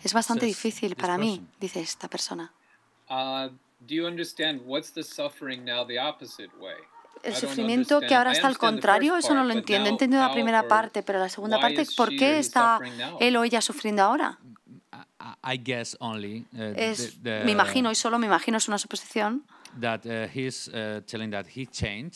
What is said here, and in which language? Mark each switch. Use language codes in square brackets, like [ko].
[es] es bastante difícil para mí, dice esta persona. [en] Do you understand what's the suffering now the opposite way? [es] El sufrimiento que ahora está al contrario, eso no lo entiendo. He entendido la primera parte, pero la segunda parte, ¿por qué está él o ella sufriendo ahora? [en] I guess only, [es] me imagino, y solo me imagino, es una suposición [en] that, he's, telling that he changed